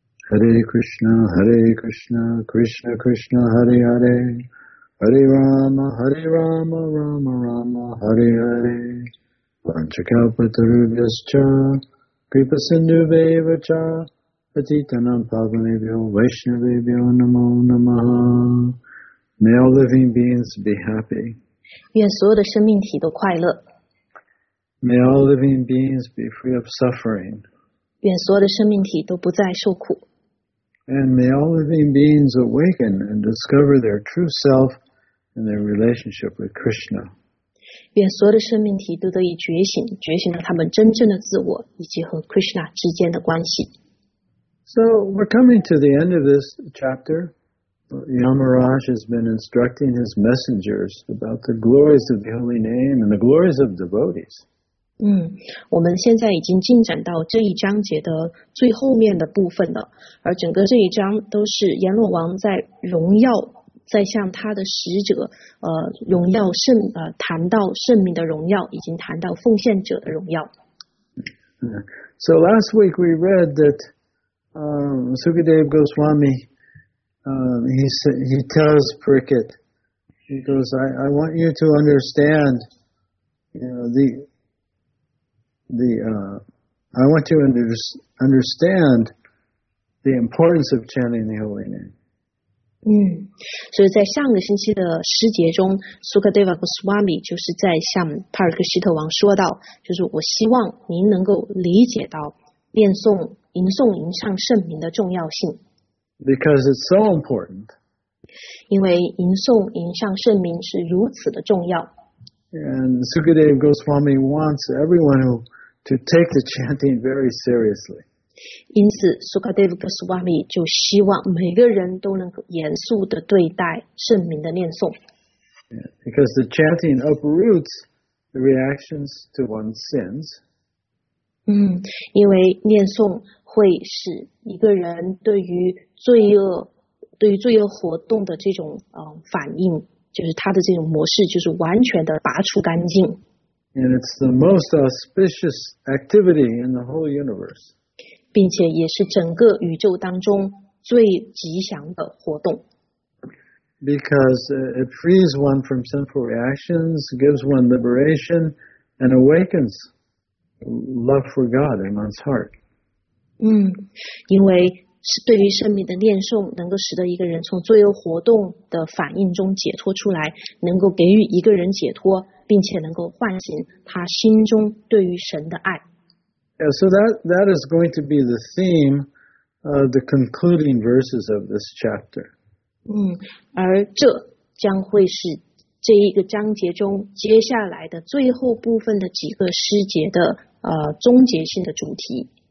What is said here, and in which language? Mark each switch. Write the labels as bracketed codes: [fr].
[sa] Hare Krishna Hare Krishna Krishna Krishna Hare Hare Hare Rama Rama Rama Hare HarePanchakalpatarubhyascha Kripasindhubhevacha Patitanam Pavanebhyo Vaishnavebhyo Namo Namaha. [en] May all living beings be happy. [zh] 愿所有的生命体都快乐。 [en] May all living beings be free of suffering. [zh] 愿所有的生命体都不再受苦。 [en] And may all living beings awaken and discover their true self and their relationship with Krishna. [zh] 愿所有的生命体都得以觉醒，觉醒了他们真正的自我以及和 Krishna 之间的关系。 [en] So we're coming to the end of this chapter. Yamaraj has been instructing his messengers about the glories of the holy name and the glories of devotees. [zh] 我们现在已经进展到这一章节的最后面的部分了，而整个这一章都是阎罗王在荣耀在向他的使者荣耀圣谈到圣名的荣耀，已经谈到奉献者的荣耀。 [en] So last week we read that Sukadeva Goswami he tells Prickett, he goes, I want you to understand, I want you to understand the importance of chanting the holy name. [zh] 所以在上个星期的诗节中 Sukadeva Goswami 就是在向帕尔克希特王说到，就是我希望您能够理解到念诵吟诵吟唱圣名的重要性。 [en] Because it's so important. [zh] 因为吟诵吟唱圣名是如此的重要。 [en] And Sukadeva Goswami wants everyone to take the chanting very seriously. [zh] 因此 Sukadeva Goswami 就希望每个人都能严肃地对待圣名的念诵。 [en] Because the chanting uproots the reactions to one's sins. [zh] 因为念诵会使一个人对于罪恶活动的这种反应，就是他的这种模式就是完全地拔除干净。 [en] And it's the most auspicious activity in the whole universe. [zh] 并且也是整个宇宙当中最吉祥的活动。 [en] Because it frees one from sinful reactions, gives one liberation, and awakens love for God in one's heart. [zh] 因为是对于圣名的念诵能够使得一个人从罪恶活动的反应中解脱出来，能够给予一个人解脱，并且能够唤醒他心中对于神的爱。 [en] Yeah, so that is going to be the theme of the concluding verses of this chapter. [zh] 而这将会是这一个章节中接下来的最后部分的几个诗节的终结性的主题。